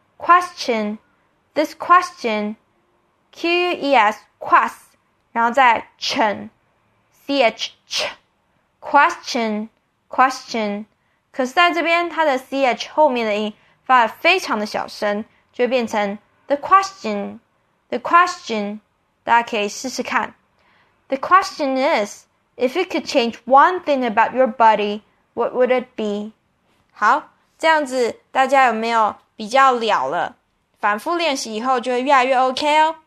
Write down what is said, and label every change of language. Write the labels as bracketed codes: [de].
[zh] Question，this question。Q-U-E-S, quest, 然后再 chen, C-H-Ch, question, 可是在这边它的 C-H 后面的音发得非常的小声，就会变成 the question, 大家可以试试看。 [en] The question is, if you could change one thing about your body, what would it be? [zh] 好，这样子大家有没有比较了？反复练习以后就会越来越 OK 哦。